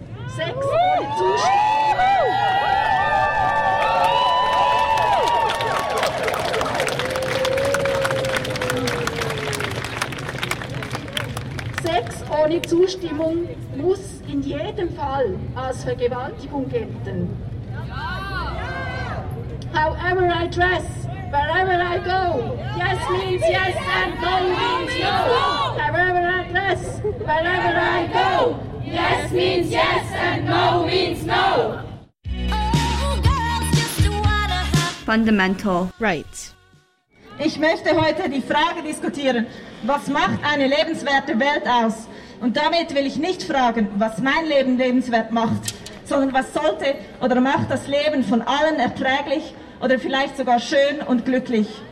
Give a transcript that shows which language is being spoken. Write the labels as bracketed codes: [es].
[de] Sex ohne Zustimmung. Sex ohne Zustimmung muss in jedem Fall als Vergewaltigung gelten. [en] However I dress, wherever I go, yes means yes and no means no. However I dress, wherever I go, yes means yes and no means no. Fundamental rights. [de] Ich möchte heute die Frage diskutieren, was macht eine lebenswerte Welt aus? Und damit will ich nicht fragen, was mein Leben lebenswert macht, sondern was sollte oder macht das Leben von allen erträglich oder vielleicht sogar schön und glücklich.